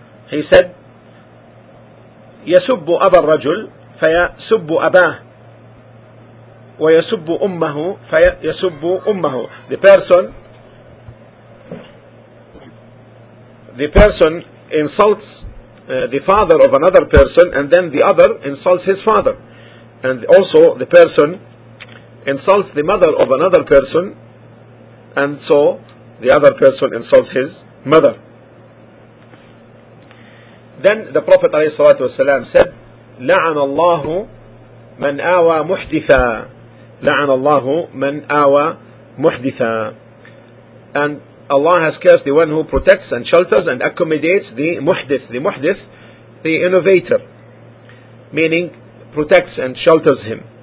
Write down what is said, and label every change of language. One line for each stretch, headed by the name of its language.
English: He said,
Arabic: يَسُبُّ أَبَى الرَّجُلْ فَيَسُبُّ أَبَاهُ وَيَسُبُّ أُمَّهُ فَيَسُبُّ أُمَّهُ.
English: The person insults the father of another person, and then the other insults his father. And also the person insults the mother of another person, and so the other person insults his mother. Then the Prophet ﷺ said,
Arabic: لَعَنَ اللَّهُ مَنْ آوَى مُحْدِثًا, لَعَنَ اللَّهُ مَنْ آوَى مُحْدِثًا.
English: And Allah has cursed the one who protects and shelters and accommodates the muhdith. The muhdith, the innovator, meaning protects and shelters him.